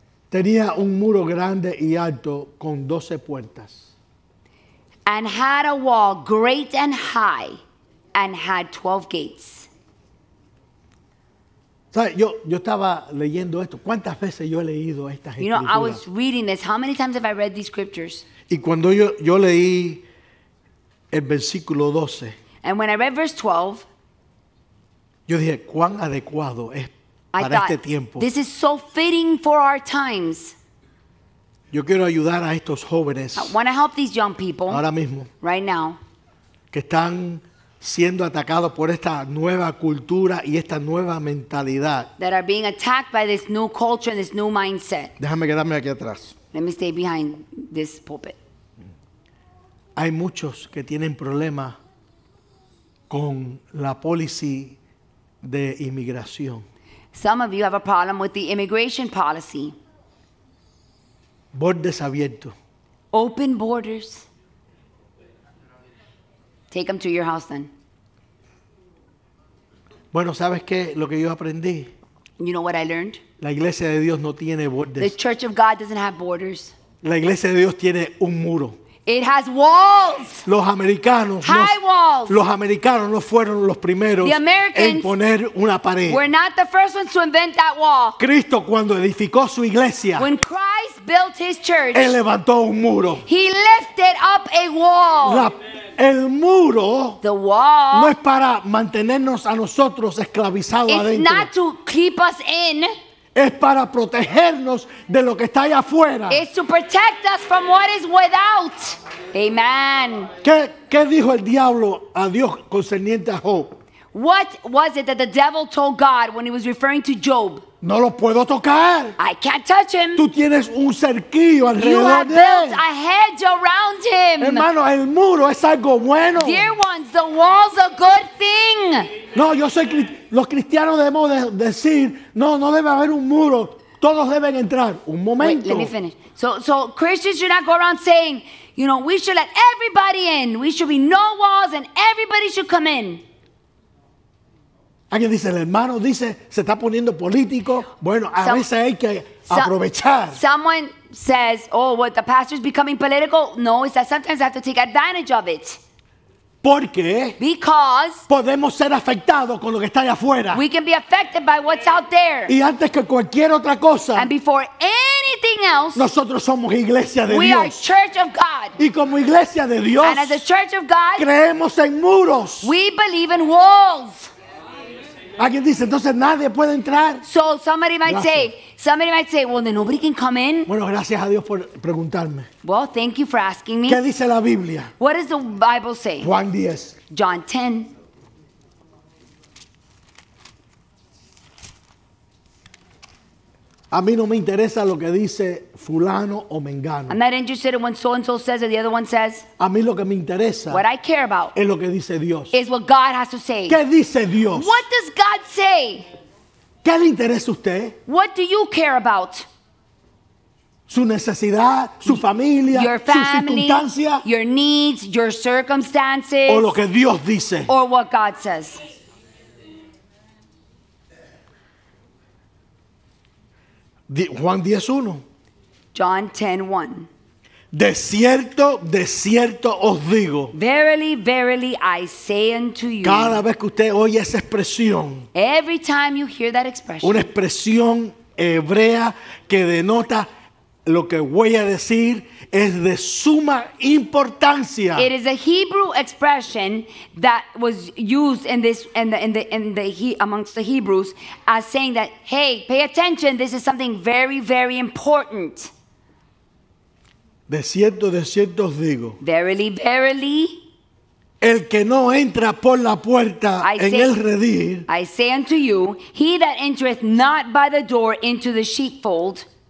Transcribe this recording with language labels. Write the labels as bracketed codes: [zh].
[es] Tenía un muro grande y alto con 12 puertas. [en] And had a wall great and high, and had 12 gates. [es] Yo estaba leyendo esto. ¿Cuántas veces yo he leído estas escrituras? [en] You know, I was reading this. How many times have I read these scriptures? [es] Y cuando yo leí el versículo 12. [en] And when I read verse 12. [es] Yo dije, ¿cuán adecuado es para este tiempo? [en] This is so fitting for our times. [es] Yo quiero ayudar a estos jóvenes. [en] I want to help these young people. [es] Ahora mismo. [en] Right now. [es] Que están siendo atacados por esta nueva cultura y esta nueva mentalidad. [en] That are being attacked by this new culture and this new mindset. [es] Déjame quedarme aquí atrás. [en] Let me stay behind this pulpit. [es] Hay muchos que tienen problemas con la policy de inmigración. [en] Some of you have a problem with the immigration policy. [es] Bordes abiertos. [en] Open borders. Take them to your house then. [es] Bueno, ¿sabes qué? Lo que yo aprendí. [en] You know what I learned? [es] La iglesia de Dios no tiene bordes. [en] The church of God doesn't have borders. [es] La iglesia de Dios tiene un muro. [en] It has walls. [es] Los americanos, [en] high walls. [es] Los americanos no fueron los primeros en poner una pared. [en] We're not the first ones to invent that wall. [es] Cristo cuando edificó su iglesia, [en] when Christ built his church, [es] él levantó un muro. [en] He lifted up a wall. [es] El muro, [en] the wall, [es] no es para mantenernos a nosotros esclavizados [en] it's [es] adentro. [en] Not to keep us in. [es] Es para protegernos de lo que está allá afuera. [en] It's to protect us from what is without. Amen. [es] ¿Qué dijo el diablo a Dios concerniente a Job? [en] What was it that the devil told God when he was referring to Job? [es] No lo puedo tocar. [en] I can't touch him. [es] Tú tienes un cerquillo alrededor de él. [en] You have built a hedge around him. [es] Hermano, el muro es algo bueno. [en] Dear ones, the wall's a good thing. [es] No, yo soy los cristianos debemos decir, no debe haber un muro. Todos deben entrar. Un momento. [en] Wait, let me finish. So Christians should not go around saying, you know, we should let everybody in. We should be no walls and everybody should come in. [es] Alguien dice, el hermano dice, se está poniendo político. Bueno, a veces hay que aprovechar. [en] Someone says, oh, what, the pastor is becoming political? No, it's that sometimes I have to take advantage of it. [es] ¿Por qué? [en] Because [es] podemos ser afectados con lo que está allá afuera. [en] We can be affected by what's out there. [es] Y antes que cualquier otra cosa, [en] and before anything else, [es] nosotros somos iglesia de [en] we [es] Dios. [en] We are church of God. [es] Y como iglesia de Dios, [en] and as a church of God, [es] creemos en muros. [en] We believe in walls. [es] Alguien dice, entonces nadie puede entrar. [en] So somebody might say, well, then nobody can come in. [es] Bueno, gracias a Dios por preguntarme. [en] Well, thank you for asking me. [es] ¿Qué dice la Biblia? [en] What does the Bible say? [es] Juan 10. [en] John 10. [es] A mí no me interesa lo que dice fulano o mengano. [en] I'm not interested in what so-and-so says or the other one says. [es] A mí lo que me interesa, [en] what I care about, [es] es lo que dice Dios. [en] Is what God has to say. [es] ¿Qué dice Dios? [en] What does God say? [es] ¿Qué le interesa a usted? [en] What do you care about? [es] Su necesidad, su familia, [en] your family, [es] su circunstancia, [en] your needs, your circumstances, [es] o lo que Dios dice. [en] Or what God says. [es] Juan 10:1. [en] John 10:1. [es] De cierto os digo. [en] Verily, verily, I say unto you. [es] Cada vez que usted oye esa expresión. [en] Every time you hear that expression. [es] Una expresión hebrea que denota lo que voy a decir es de suma importancia. [en] It is a Hebrew expression that was used in this amongst the Hebrews as saying that, hey, pay attention, this is something very, very important. [es] De cierto os digo. [en] Verily, verily. [es] El que no entra por la puerta en el redil. [en] I say unto you, he that entereth not by the door into the sheepfold,